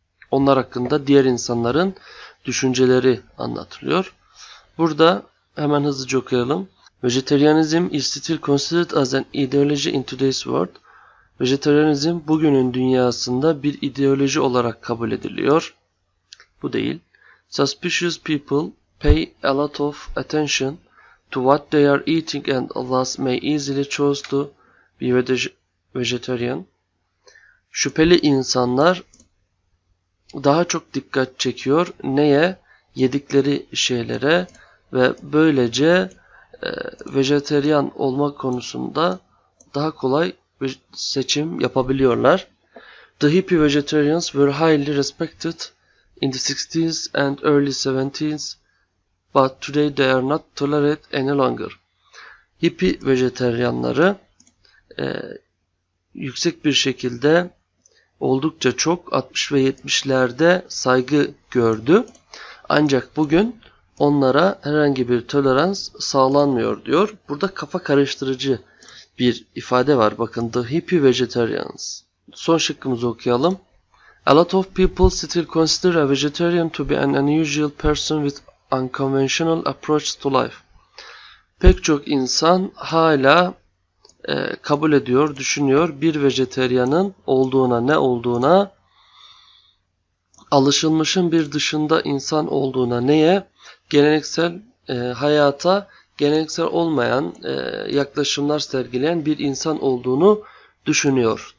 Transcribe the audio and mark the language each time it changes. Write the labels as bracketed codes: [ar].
[tr] Onlar hakkında diğer insanların düşünceleri anlatılıyor. Burada hemen hızlıca okuyalım. [en] Vegetarianism is still considered as an ideology in today's world. [tr] Vegetarianism bugünün dünyasında bir ideoloji olarak kabul ediliyor. Bu değil. [en] Suspicious people pay a lot of attention to what they are eating and thus may easily choose to be vegetarian. [tr] Şüpheli insanlar daha çok dikkat çekiyor. Neye? yedikleri şeylere ve böylece vejeteryan olmak konusunda daha kolay bir seçim yapabiliyorlar. [en] The hippie vegetarians were highly respected in the 60s and early 70s, but today they are not tolerated any longer. [tr] Hippie vejeteryanları yüksek bir şekilde oldukça çok 60 ve 70'lerde saygı gördü. Ancak bugün onlara herhangi bir tolerans sağlanmıyor diyor. Burada kafa karıştırıcı bir ifade var. Bakın, [en] the hippie vegetarians. [tr] Son şıkkımızı okuyalım. [en] A lot of people still consider a vegetarian to be an unusual person with unconventional approach to life. [tr] Pek çok insan hala kabul ediyor, düşünüyor bir vejeteryanın olduğuna, ne olduğuna, alışılmışın bir dışında insan olduğuna, neye? Geleneksel hayata geleneksel olmayan yaklaşımlar sergileyen bir insan olduğunu düşünüyor.